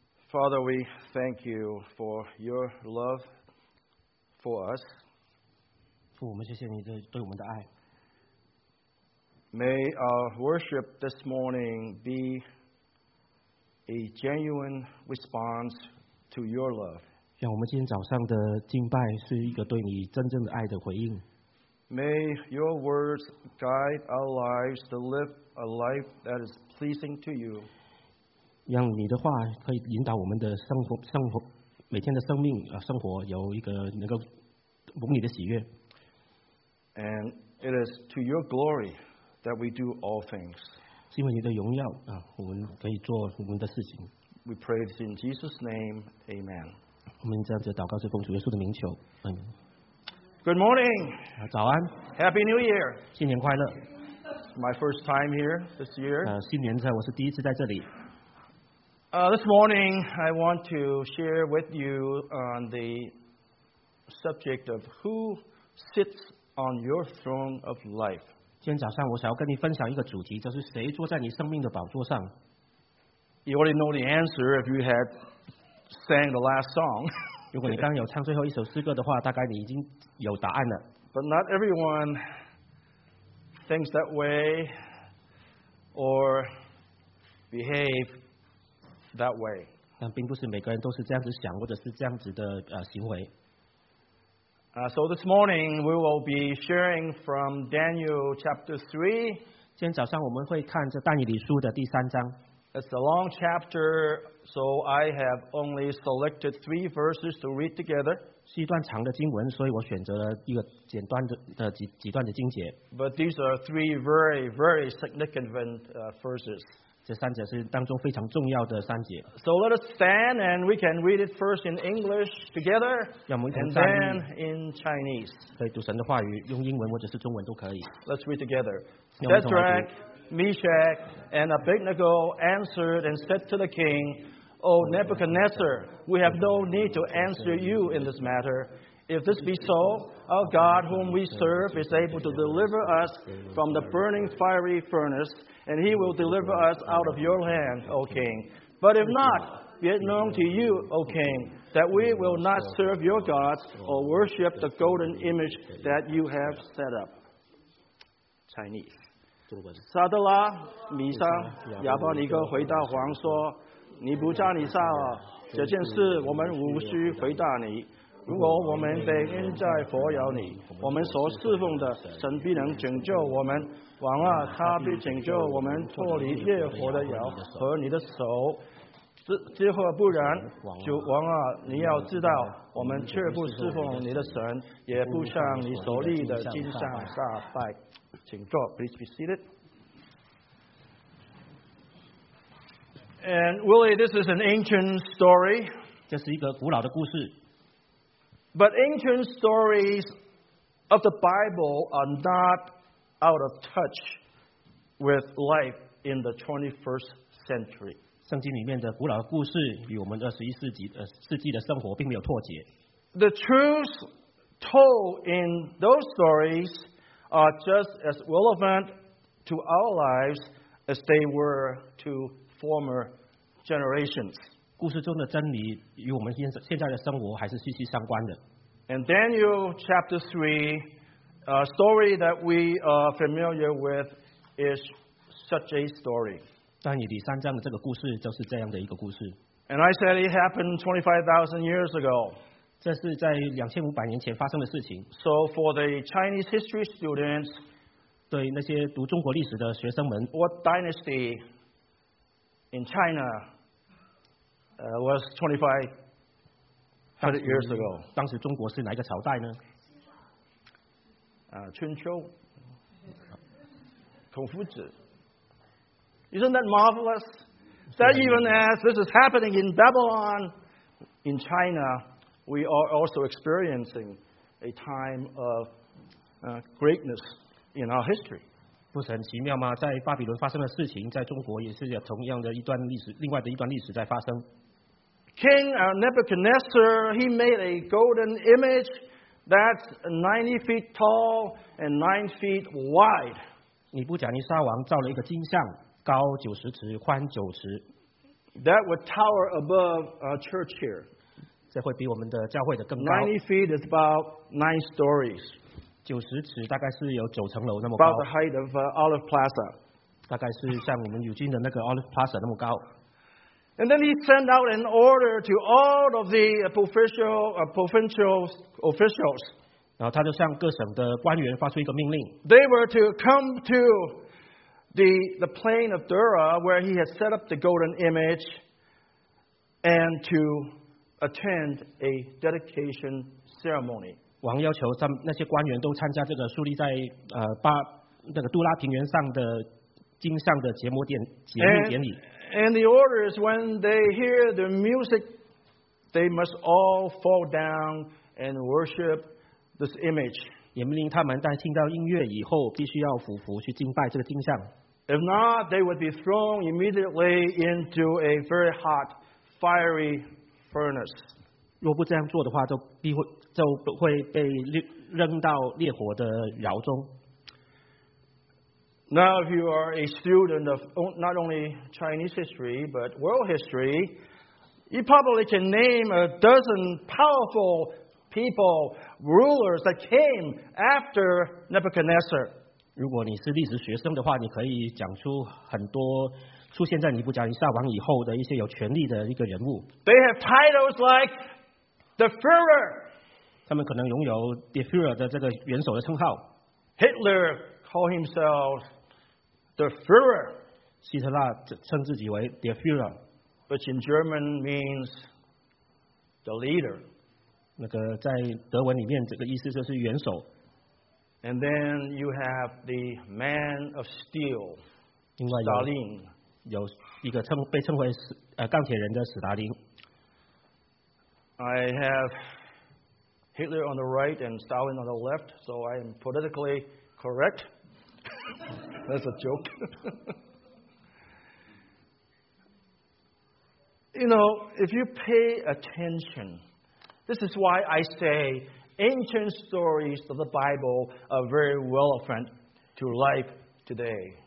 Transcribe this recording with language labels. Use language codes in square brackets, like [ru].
[en] Father, we thank you for your love for us. [zh] 父，我们谢谢你对我们的爱。 [en] May our worship this morning be a genuine response to your love. [zh] 让我们今天早上的敬拜是一个对你真正的爱的回应。 [en] May your words guide our lives to live a life that is pleasing to you. [zh] 让你的话可以引导我们的生活每天的生命啊生活有一个能够蒙你的喜悦。 [en] And it is to your glory that we do all things. [zh] 是因为你的荣耀啊，我们可以做我们的事情。 [en] We pray this in Jesus' name, Amen. [zh] 我们这样子祷告是奉主耶稣的名求，嗯。 [en] Good morning. [zh] 早安。 [en] Happy New Year. [zh] 新年快乐。 [en] My first time here this year. [zh] 新年在我是第一次在这里。 [en] This morning, I want to share with you on the subject of who sits on your throne of life. [zh] 今天早上我想要跟你分享一个主题，就是谁坐在你生命的宝座上。 [en] You already know the answer if you had sang the last song. [zh] 如果你刚有唱最后一首诗歌的话，大概你已经有答案了。 [en] But not everyone thinks that way or behave that way. [zh] 但并不是每个人都是这样子想，或者是这样子的行为。 [en] So this morning we will be sharing from Daniel chapter 3. [zh] 今天早上我们会看这但以理书的第三章。 [en] It's a long chapter, so I have only selected 3 verses to read together. [zh] 是一段长的经文，所以我选择了一个简短的几段的经节。 [en] But these are 3 very, very significant verses. [zh] 这三节是当中非常重要的三节。 [en] So let us stand, and we can read it first in English together, and then in Chinese. [zh] 可以读神的话语，用英文或者是中文都可以。 [en] Let's read together. Shadrach, Meshach, and Abednego answered and said to the king, O Nebuchadnezzar, we have no need to answer you in this matter. If this be so, our God whom we serve is able to deliver us from the burning fiery furnace, and he will deliver us out of your hand, O king. But if not, be it known to you, O king, that we will not serve your gods or worship the golden image that you have set up. Chinese. [zh] 撒德拉、米沙、亚伯尼哥回答王说：“你不叫你撒了，这件事我们无需回答你。如果我们被扔在火窑里，我们所侍奉的神必能拯救我们。王啊，他必拯救我们脱离烈火的窑和你的手。之后不然，主王啊，你要知道，我们却不侍奉你的神，也不向你所立的金像撒拜。” 请坐 [en] ，please be seated. And Willie, this is an ancient story. [zh] 这是一个古老的故事。 [en] But ancient stories of the Bible are not out of touch with life in the 21st century. [zh] 圣经里面的古老的故事与我们21世纪的生活并没有脱节。 [en] The truths told in those stories. Are just as relevant to our lives as they were to former generations. [zh] 故事中的真理与我们现在的生活还是息息相关的。 [en] And Daniel chapter 3, a story that we are familiar with is such a story. [zh] 但以理三章的这个故事就是这样的一个故事。 [en] And I said it happened 25,000 years ago. [zh] 这是在2500年前发生的事情。 [en] So for the Chinese history students, [zh] 对那些读中国历史的学生们 [en] ，What dynasty in China was 2500 years ago？ [zh] 当时中国是哪一个朝代呢？春秋，孔夫子。 [en] Isn't that marvelous? That even as this is happening in Babylon, in China. We are also experiencing a time of greatness in our history. [zh] 不是很奇妙吗？在巴比伦发生的事情，在中国也是有同样的一段历史，另外的一段历史在发生。 [en] King Nebuchadnezzar, he made a golden image that's 90 feet tall and 9 feet wide. [zh] 尼布甲尼撒王造了一个金像，高90尺，宽9尺。 [en] That would tower above our church here. [zh] 这会比我们的教会的更高。 [en] 90 feet is about 9 stories. [zh] 90尺大概是有9层楼那么高。 [en] About the height of Olive Plaza. [zh] 大概是像我们如今的那个 Olive Plaza 那么高。 [en] And then he sent out an order to all of the provincial officials. [zh] 然后他就向各省的官员发出一个命令。 [en] They were to come to the plain of Dura where he had set up the golden image and to attend a dedication ceremony. [zh] 王要求那些官员都参加这个树立在巴那个杜拉平原上的金像的结膜典结膜典礼。 [en] And the order is when they hear the music, they must all fall down and worship this image. [zh] 也命令他们在听到音乐以后必须要俯伏去敬拜这个金像。 [en] If not, they would be thrown immediately into a very hot, fiery furnace. [zh] 若不这样做的话，就会被扔到烈火的窑中。 [en] Now, if you are a student of not only Chinese history, but world history, you probably can name a dozen powerful people, rulers that came after Nebuchadnezzar. [zh] 如果你是历史学生的话，你可以讲出很多出现在尼布甲尼撒王以后的一些有权力的一个人物。 [en] They have titles like the Führer. [zh] 他们可能拥有 the Führer 的这个元首的称号。 [en] Hitler called himself the Führer. [zh] 希特勒称自己为 the Führer. [en] Which in German means the leader. [zh] 那个在德文里面这个意思就是元首。 [en] And then you have the man of steel, Stalin. [zh] 有一个被称为钢铁人的史达林。 [en] I have Hitler on the right and Stalin on the left, so I am politically correct. That's a joke. You know, if you pay attention, this is why I say,Ancient stories of the Bible are very relevant to life today.